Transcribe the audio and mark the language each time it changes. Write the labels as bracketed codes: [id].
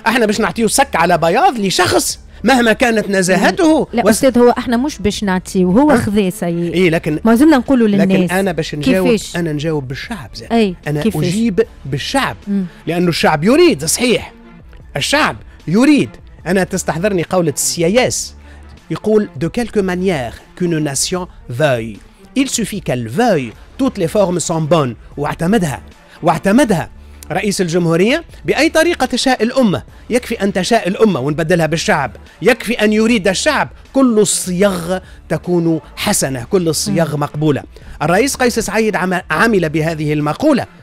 [ar] احنا باش نعطيه سك على بياض لشخص مهما كانت نزاهته. لا أستاذ، هو احنا مش باش نعطيه، وهو خذي سيدي. إيه، لكن ما زلنا نقوله للناس. لكن أنا باش نجاوب بالشعب زي. أنا أجيب بالشعب لأنه الشعب يريد. صحيح الشعب يريد. أنا تستحضرني قولة السياس يقول [fr] de quelque manière qu'une nation veuille il suffit qu'elle veuille toutes les formes sont bonnes. [ar] واعتمدها رئيس الجمهورية بأي طريقة تشاء الأمة، يكفي أن تشاء الأمة ونبدلها بالشعب، يكفي أن يريد الشعب، كل الصياغ تكون حسنة، كل الصياغ مقبولة. الرئيس قيس سعيد عمل بهذه المقولة،